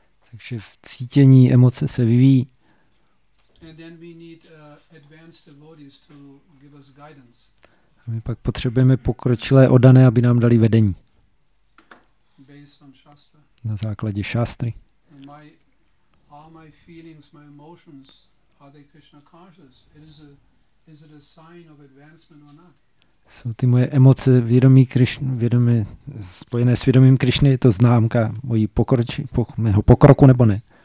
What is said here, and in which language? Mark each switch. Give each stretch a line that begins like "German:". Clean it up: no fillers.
Czech: Takže v cítění emoce se vyvíjí.
English: And then we need advanced devotees to give us guidance.
Czech: A my pak potřebujeme pokročilé oddané, aby nám dali vedení.
English: Based on Shastra.
Czech: Na základě šastry.
English: All my feelings, my emotions, are they Krishna conscious? Is it a sign of advancement or not?
Czech: Jsou ty moje emoce vědomí Krišny, vědomí spojené s vědomím Krišny, je to známka mojí mého pokroku nebo ne?